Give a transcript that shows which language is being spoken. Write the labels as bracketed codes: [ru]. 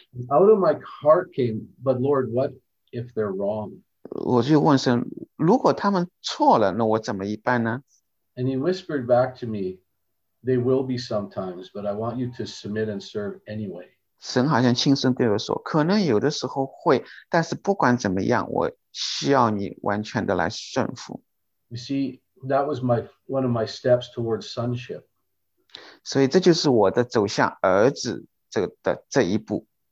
[en] Out of my heart came, but Lord, what if they're wrong? [zh] 我就问神，如果他们错了，那我怎么办呢？ [en] And he whispered back to me, they will be sometimes, but I want you to submit and serve anyway. [zh] 神好像轻声对我说，可能有的时候会，但是不管怎么样，我需要你完全的来顺服。 [en] You see, that was one of my steps towards sonship. [zh] 所以这就是我的走向儿子的这一步。